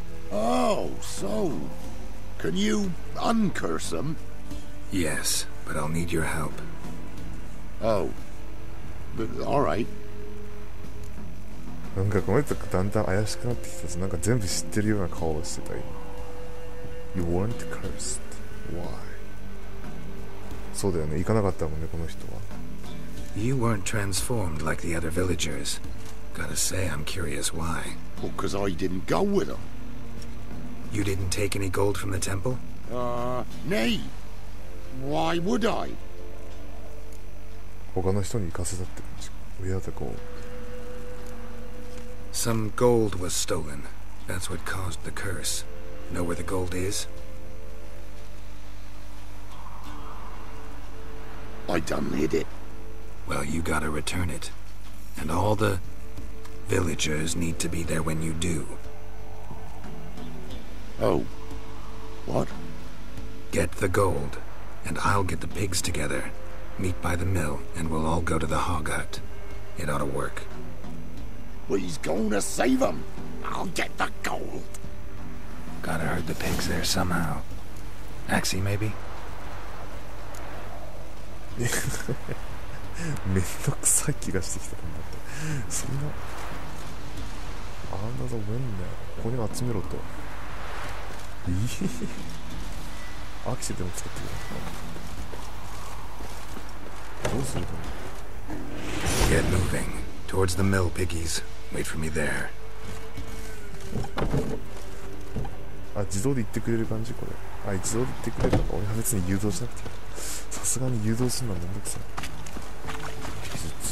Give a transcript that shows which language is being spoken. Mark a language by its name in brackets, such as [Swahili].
[English] Oh, so can you uncurse them? Yes, but I'll need your help. Oh, but all right. [Japanese] なんかこの人だんだん怪しくなってきた。なんか全部知ってるような顔をしてた今。 [English] You weren't cursed. Why? [Japanese] そうだよね、行かなかったもんね、この人は。 [English] You weren't transformed like the other villagers. Gotta say, I'm curious why. Well, 'cause I didn't go with them. You didn't take any gold from the temple? Nay. Why would I? [Japanese] 他の人に行かせたって感じ。 [English] We had the gold. Some gold was stolen. That's what caused the curse. Know where the gold is? I done hid it. Well, you gotta return it. And all the villagers need to be there when you do. Oh. What? Get the gold, and I'll get the pigs together. Meet by the mill, and we'll all go to the hog hut. It ought to work. Well, he's gonna save them. I'll get the gold. Gotta herd the pigs there somehow. Axie, maybe? [Japanese] めんどくさい気がしてきたんだって。そんなアンダーザウェンね、ここに集めろと。いい、アクセでも使ってくれ。どうするかな。 [English] Get moving towards the mill, piggies. Wait for me there. [Japanese] あ、自動で行ってくれる感じこれ。あ、自動で行ってくれるのか。俺は別に誘導しなくて。さすがに誘導するのはめんどくさい。技術。